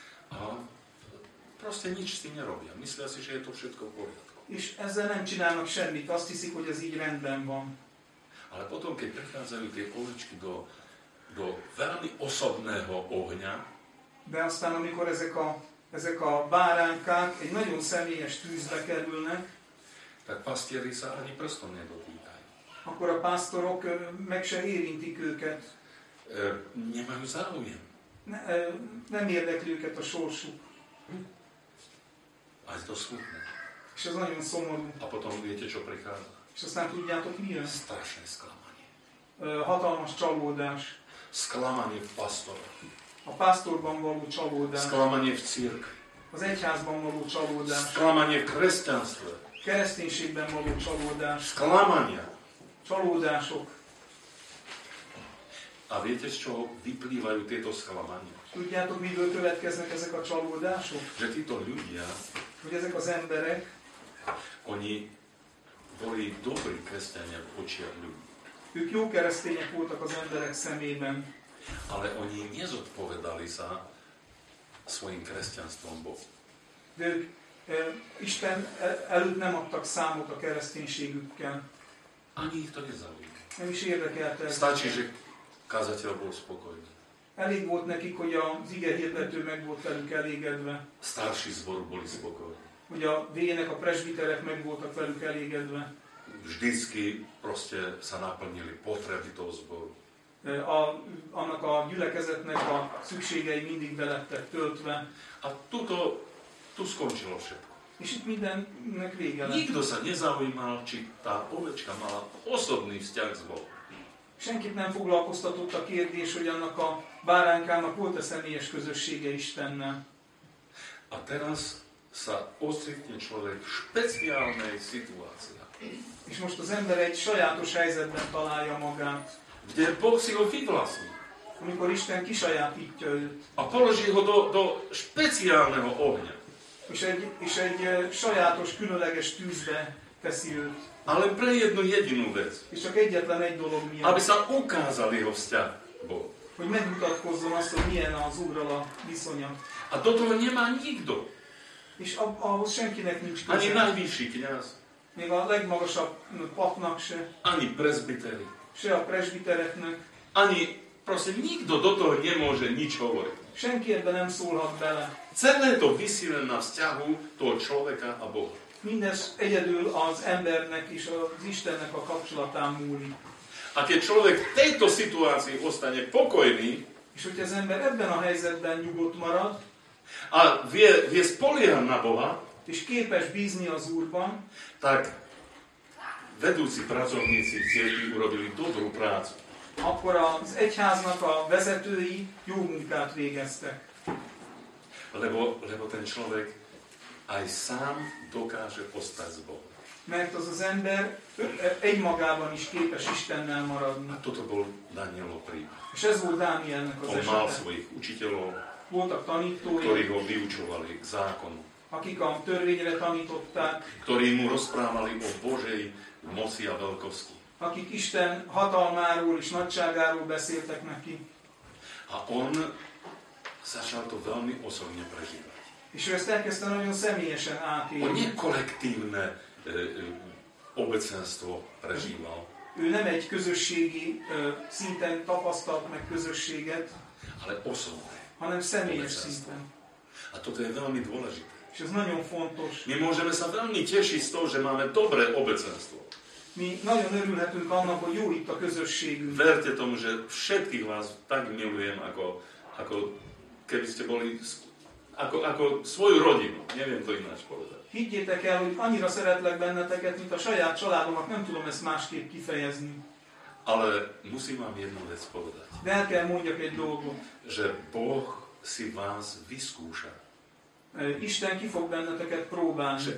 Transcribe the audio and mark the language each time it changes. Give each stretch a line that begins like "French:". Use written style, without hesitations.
Slovak: A proste nič s tým nerobia. Myslia si, že je to všetko v poriadku.
Hungarian: És ezzel nem csinálnak semmit, azt hiszik, hogy ez így rendben van.
Slovak: Ale potom, keď prichádzajú tie ovečky do veľmi osobného ohňa,
Hungarian: de aztán, amikor ezek a ezek a báránkák egy nagyon személyes tűzbe kerülnek.
Slovak: Tak pastieri sa ani prstom nedotýkajú.
Hungarian: Akkor a pásztorok meg se érintik őket.
Slovak: Nemajú záujem.
Hungarian: Nem érdekli őket a sorsuk.
Slovak: Ez to smutné.
Hungarian: És ez nagyon szomorú.
Slovak: A potom viete, čo prichádza.
Hungarian: És aztán tudjátok, mi jön?
Slovak: Strašné sklamanie.
Hungarian: Hatalmas csalódás.
Slovak: Sklamanie v pastor.
Hungarian: A pásztorban való csalódás.
Slovak: Sklamanie v cirk.
Hungarian: Az egyházban való csalódás.
Slovak: Sklamanie v kresťanstve.
Hungarian: Kereszténységben való csalódás.
Slovak: Sklamania.
Hungarian: Csalódások.
Slovak: A viete, z čoho vyplývajú tieto sklamania?
Hungarian: Tudjátok, miből következnek ezek a csalódások?
Slovak: Že títo ľudia,
Hungarian: hogy ezek az emberek,
Slovak: oni boli dobrí kresťania v očiach ľudí.
Hungarian: Ők jó keresztények voltak az emberek szemében.
Slovak: Ale oni nezodpovedali sa svojim kresťanstvom Bohu.
Hungarian: De ők Isten előtt nem adtak számot a kereszténységükkel.
Slovak: Ani ich to nezaujíma.
Hungarian: Nem is érdekelte.
Slovak: Stačí, že kazateľ bol spokojný.
Hungarian: Elég volt nekik, hogy az ige hirdető meg volt velük elégedve.
Slovak: Starší zbor boli spokojní.
Hungarian: Hogy a vének a presbiterek meg voltak velük elégedve.
Slovak: Vždycky proste sa naplnili potreby toho zboru.
Hungarian: Annak a gyülekezetnek a szükségei mindig belettek töltve.
Slovak: A tuto tu skončilo všetko.
Hungarian: És itt mindennek vége lett.
Slovak: Nikto sa nezaujímal, či tá ovečka mala osobný vzťah s Bohom.
Hungarian: Senkit nem foglalkoztatott a kérdés, hogy annak a báránkának volt a személyes közössége Istennel.
Slovak: A teraz sa ostrihne človek v špeciálnej situácii.
Hungarian: És most az ember egy sajátos helyzetben találja magát.
Slovak: Kde Boh si ho vyvlastní.
Hungarian: Amikor Isten kisajátítja őt.
Slovak: A položí ho do špeciálneho ohňa.
Hungarian: És egy sajátos, különleges tűzbe teszi őt.
Slovak: Ale pre jednu jedinú vec.
Hungarian: És csak egyetlen egy dolog miatt.
Slovak: Aby sa ukázal jeho vzťah Bohu.
Hungarian: Hogy megmutatkozzon azt, hogy milyen az Úrral a viszonya.
Slovak: A do toho nemá nikto.
Hungarian: És ahhoz senkinek nincs köze.
Slovak: Ani najvyšší kňaz.
Hungarian: Még a legmagasabb papnak se.
Slovak: Ani prezbiteri.
Hungarian: Se a prezbitereknek.
Slovak: Ani proste nikto do toho nemôže nič hovoriť.
Hungarian: Senki ebbe nem szólhat bele.
Slovak: Celé to visí len na vzťahu toho človeka a Boha.
Hungarian: Mindez egyedül az embernek és az Istennek a kapcsolatán múlik.
Slovak: A keď človek v tejto situácii ostane pokojný,
Hungarian: és hogy az ember ebben a helyzetben nyugodt marad,
Slovak: a vie spoliehať na Boha,
Hungarian: és képes bízni az Úrban,
Slovak: tak vedúci pracovníci v cirkvi urobili dobrú prácu.
Hungarian: Akkor az egyháznak a vezetői jó munkát végeztek.
Slovak: Lebo ten človek aj sám dokáže ostať s Bohom.
Hungarian: Mert az az ember egymagában is képes Istennel maradni.
Slovak: A toto bol Danielov prípad.
Hungarian: És ez volt Dánielnek az esete.
Slovak: On mal svojich učiteľov,
Hungarian: voltak tanítói,
Slovak: ktorí ho vyučovali k zákonu.
Hungarian: Akik a törvényre tanították.
Slovak: Ktorí mu rozprávali o Božej moci a veľkosti.
Hungarian: Akik Isten hatalmáról és nagyságáról beszéltek neki.
Slovak: A on začal to veľmi osobne prežívať.
Hungarian: És ő ezt elkezdte nagyon személyesen átélni.
Slovak: On nie kolektívne obecenstvo prežíval.
Hungarian: Ő nem egy közösségi szinten tapasztalt meg közösséget.
Slovak: Ale osobne.
Hungarian: Hanem személyes szinten.
Slovak: A toto je veľmi dôležité.
Hungarian: És ez nagyon fontos.
Slovak: My môžeme sa veľmi tešiť z toho, že máme dobré obecenstvo.
Hungarian: Mi nagyon örülhetünk annak, hogy jó itt a közösségünk.
Slovak: Verte tomu, že všetkých vás tak milujem, ako keby ste boli ako svoju rodinu. Neviem to ináč povedať.
Hungarian: Higgyétek el, hogy annyira szeretlek benneteket, mint a saját családomat, nem tudom ezt másképp kifejezni.
Slovak: Ale musím vám jednu vec povedať.
Hungarian: De el kell mondjak egy dolgot.
Slovak: Že Boh si vás vyskúša.
Hungarian: Isten ki fog benneteket próbálni.